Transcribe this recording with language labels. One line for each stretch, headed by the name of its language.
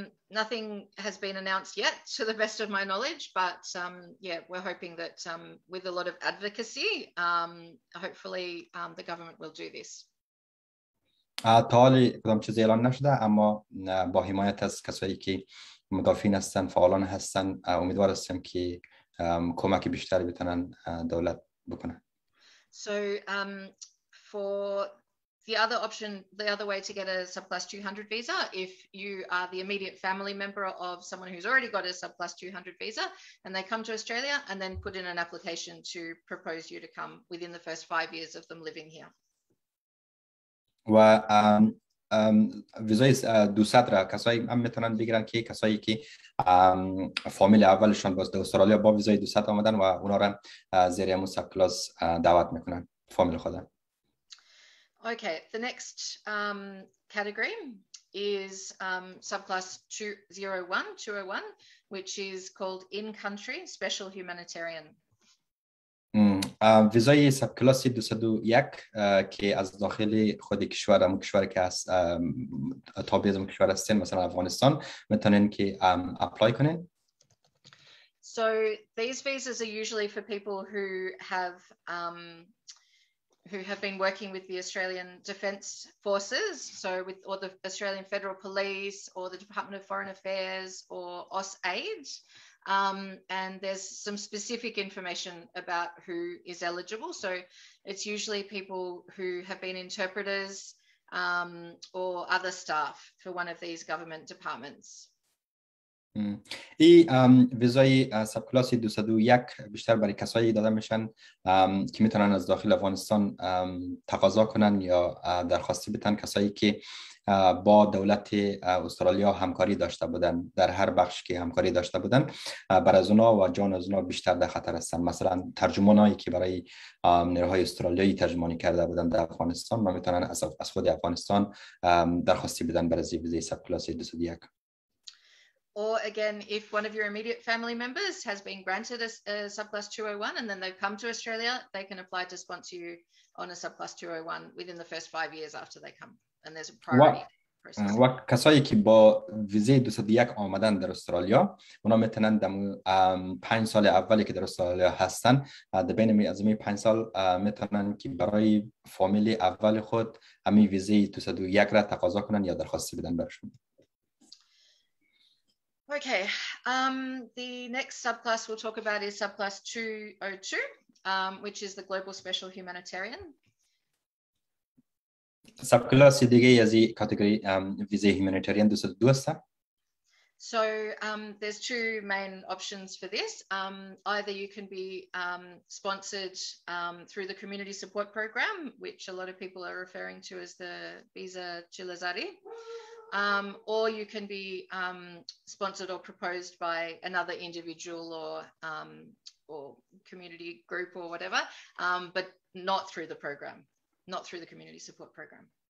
English: Nothing has been announced yet to the best of my knowledge but yeah we're hoping that with a lot of advocacy hopefully the government will do this
Persian: تا حالی کدام چیز اعلان نشده اما با حمایت از کسایی که مدافعین هستن فعالان هستن امیدوار هستم که کمک بیشتر بتونن دولت بکنن
English: So for the other option the other way to get a subclass 200 visa if you are the immediate family member of someone who's already got a subclass 200 visa and they come to Australia and then put in an application to propose you to come within the first 5 years of them living here
Persian: و ویزای 200 را کسایی هم میتونن بگیرن که کسایی که فامیل اولشان باز در استرالیا با ویزای 200 آمدن و اونا را زیر همون سب کلاس دعوت میکنن فامیل خود
English: Okay, the next category is subclass 201, which is called in-country special humanitarian.
Persian: ویزای سب کلاس 201 که از داخل خود کشور همون کشور که از تابع از کشور هستین مثلا افغانستان میتونین که اپلای کنین
English: So these visas are usually for people who have been working with the Australian Defence Forces so with or the Australian Federal Police or the Department of Foreign Affairs or AusAid and there's some specific information about who is eligible. So it's usually people who have been interpreters or other staff for one of these government departments.
Persian: ای ویزای سب کلاس 201 بیشتر برای کسایی داده میشن که میتونن از داخل افغانستان تقاضا کنن یا درخواستی بتن، کسایی که با دولت استرالیا همکاری داشته بودن، در هر بخش که همکاری داشته بودن، برای از اونا و جان از اونا بیشتر در خطر هستن. مثلا ترجمانایی که برای نیروهای استرالیایی ترجمانی کرده بودن در افغانستان و میتونن از خود افغانستان درخواستی بدن برای ویزای سب کلاس 201.
English: Or again, if one of your immediate family members has been granted a subclass 201 and then they've come to Australia, they can apply to sponsor you on a subclass 201 within the first 5 years after they come. And there's a priority process.
Persian: What کسایی که با ویزای 201 آمدن در استرالیا، اونا میتونن در 5 سال اولی که در استرالیا هستن، در بین از 5 سال میتونن که برای فامیلی اول خود همی ویزای 201 را تقاضا کنن یا درخواستی بدن برشون.
English: Okay, the next subclass we'll talk about is subclass 202, which is the Global Special Humanitarian.
Persian: Subclass دیگه از این کاتگوری ویزای humanitarian 202 است.
English: So there's two main options for this. Either you can be sponsored through the community support program, which a lot of people are referring to as the Visa Chilazari. Or you can be sponsored or proposed by another individual or community group or whatever, but not through the program, not through the community support program.